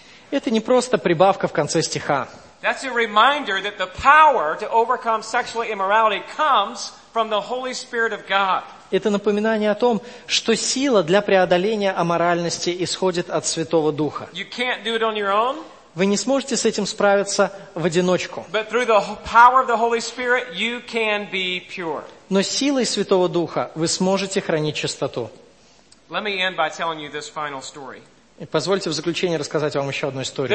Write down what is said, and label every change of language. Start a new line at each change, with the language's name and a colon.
Russian: Это не просто прибавка в конце стиха.
English: That's a reminder that the power to overcome sexual immorality comes from the Holy Spirit of God.
Russian: Это напоминание о том, что сила для преодоления аморальности исходит от Святого Духа.
English: You can't do it on your own.
Russian: Вы не сможете с этим справиться в одиночку.
English: But through the power of the Holy Spirit, you can be pure.
Russian: Но силой Святого Духа вы сможете хранить чистоту.
English: Let me end by telling you this final story.
Russian: И позвольте в заключение рассказать вам еще одну историю.